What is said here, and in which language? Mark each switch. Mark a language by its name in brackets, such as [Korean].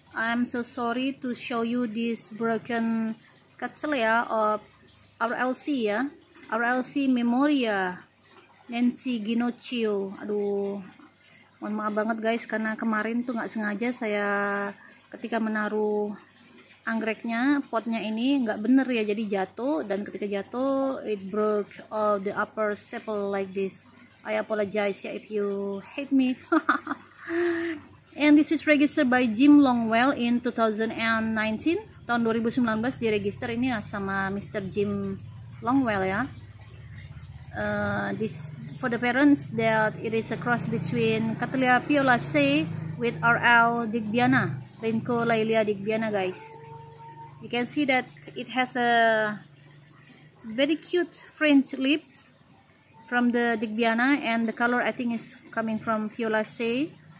[English] I'm so sorry to show you this broken Cattleya of RLC ya. RLC Memoria Nancy Ginocchio. [Indonesian] Aduh, mohon maaf banget guys karena kemarin tuh gak sengaja saya ketika menaruh anggreknya, potnya ini gak bener ya, jadi jatuh. Dan ketika jatuh, [English] it broke all the upper sepal like this. I apologize if you hate me. And this is registered by Jim Longwell in 2019. [Indonesian] Tahun 2019 di register ini ya sama Mr. Jim Longwell ya. [English] This for the parents that it is a cross between Cattleya violacea with RL digbyana, Rhyncholaelia digbyana guys. You can see that it has a very cute fringe lip from the digbyana, and the color I think is coming from violacea.